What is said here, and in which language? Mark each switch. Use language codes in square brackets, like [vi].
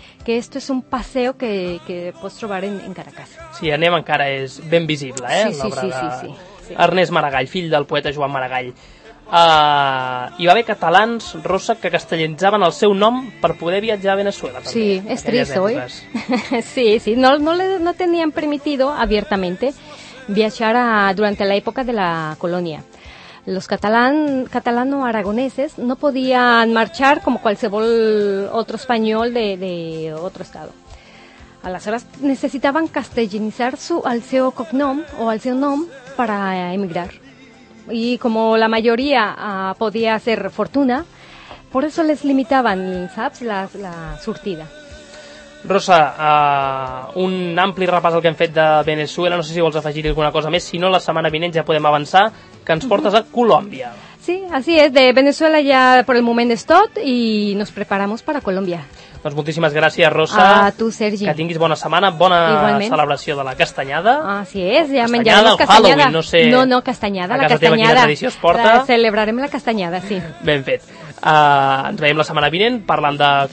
[es] Que esto es un paseo que puedes trobar en Caracas. [ca] Sí, anem, encara és ben visible, l'obra de sí. Ernest Maragall, fill del poeta Joan Maragall. Hi va haver catalans, Rosa, que castellanitzaven el seu nom per poder viatjar a Venezuela. També, sí, és trist, oi? [es] Sí, sí, no tenien permitido abiertamente viajar durante la época de la colonia. Los catalano-aragoneses no podían marchar como cualquier otro español de otro estado. A las horas necesitaban castellanizar [ca] al seu cognom o al seu nom [es] para emigrar. Y como la mayoría podía hacer fortuna, por eso les limitaban, saps, la surtida. [ca] Rosa, un ampli repàs al que hem fet de Venezuela. No sé si vols afegir alguna cosa més. Si no, la setmana vinent ja podem avançar, que ens portes a Colòmbia. [es] Sí, así es. De Venezuela ya por el [ca] moment es tot [es] y nos preparamos para Colombia. [ca] Doncs moltíssimes gràcies, Rosa. A tu, Sergi. Que tinguis bona setmana, bona celebració de la castanyada. [es] Así es, ya [ca] menjarem la castanyada. Halloween, no sé. No, castanyada, la castanyada. A casa teva quina tradició es porta. Celebrarem la castanyada, sí. Ben fet. Ens veiem la setmana vinent parlant de Colòmbia.